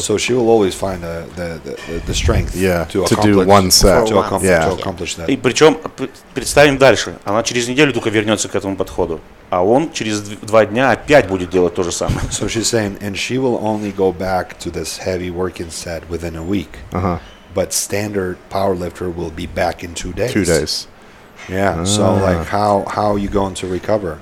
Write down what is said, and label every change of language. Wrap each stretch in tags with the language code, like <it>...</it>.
<en>So she will always find the strength. Yeah, to do one set. To accomplish that.</en> <ru>И причем представим дальше, она через неделю только вернется к этому подходу, а он через два дня опять будет делать то же самое.</ru> <en>So she's saying, and she will only go back to this heavy working set within a week. Uh-huh. But standard powerlifter will be back in 2 days. 2 days. Yeah, so like how are you going to recover?</en>